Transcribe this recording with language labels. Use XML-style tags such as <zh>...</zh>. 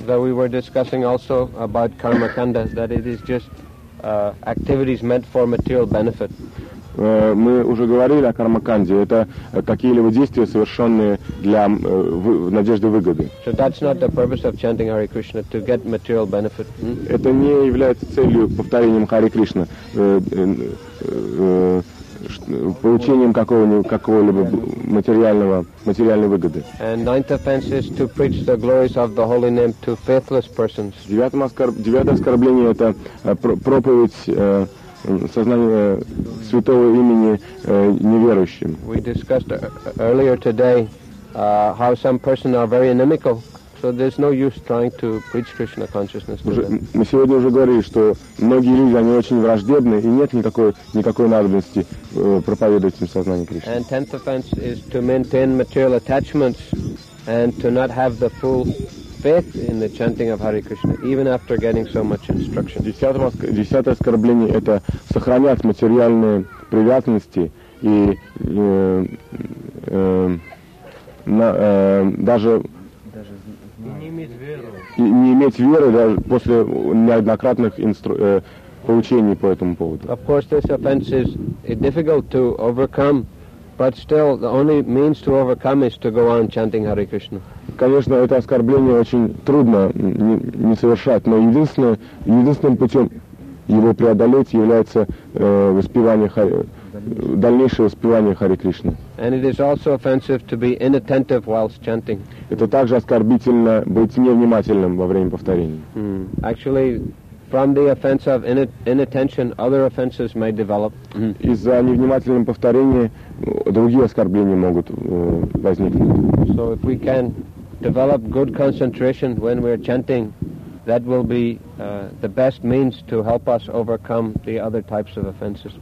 <en>That we were discussing also about Karma Kanda, that it is just activities meant for material benefit.</en> <ru>Мы уже говорили о кармаканде. Это какие-либо действия, совершенные для надежды выгоды.</ru> <en>So that's not the purpose of chanting Hare Krishna, to get material benefit.</en> <ru>Это не является целью повторением Харе Кришна, получением какого-либо материальной выгоды.</ru> <en>And ninth offense is to preach the glories of the holy name to faithless persons.</en> <ru>Девятое оскорбление это проповедь сознание святого имени неверующим.</ru> <en>We discussed earlier today how some persons are very inimical, so there's no use trying to preach Krishna consciousness to them.</en> <ru>Мы сегодня уже говорили, что многие люди, они очень враждебны, и нет никакой надобности проповедовать им сознание Кришны.</ru> <en>And tenth offense is to maintain material attachments and to not have the full faith in the chanting of Hare Krishna, even after getting so much instruction.</en> <ru>Десятое оскорбление – это сохранять материальные привязанности и не иметь веры даже после неоднократных поучений по этому поводу.</ru> <en>Of course, this offense is difficult to overcome, but still, the only means to overcome is to go on chanting Hare Krishna.</en> <ru>конечно, это оскорбление очень трудно не совершать, но единственным путем его преодолеть является дальнейшее воспевание Харе Кришны.</ru> <en>And it is also offensive to be inattentive whilst chanting.</en> <ru>Это также оскорбительно быть невнимательным во время повторения.</ru> <en>Actually, from the offense of inattention, other offenses may develop.</en> <ru>Из-за невнимательного повторения другие оскорбления могут возникнуть.</ru> <en>So if we can develop good concentration when we are chanting, that will be the best means to help us overcome the other types of offenses.</en>